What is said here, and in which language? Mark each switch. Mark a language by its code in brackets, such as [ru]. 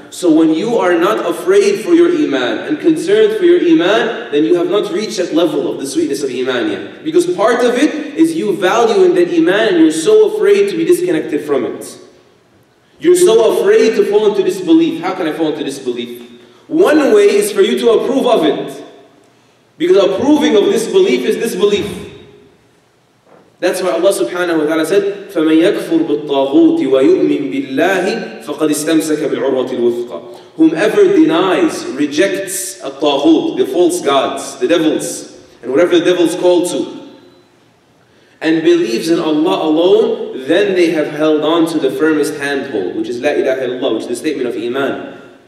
[en] So when you are not afraid for your Iman and concerned for your Iman, then you have not reached that level of the sweetness of Iman yet. Because part of it is you valuing that Iman and you're so afraid to be disconnected from it. You're so afraid to fall into disbelief. How can I fall into disbelief? One way is for you to approve of it. Because approving of disbelief is disbelief. That's why Allah subhanahu wa ta'ala said, [ar] فَمَنْ يَكْفُرْ بِالطَّاغُوتِ وَيُؤْمِنْ بِاللَّهِ فَقَدْ اسْتَمْسَكَ بِالْعُرْوَةِ الْوُثْقَى. [en] Whomever denies, rejects الطاغوت, the false gods, the devils, and whatever the devils call to, and believes in Allah alone, then they have held on to the firmest handhold, which is La ilaha illallah, which is the statement of Iman.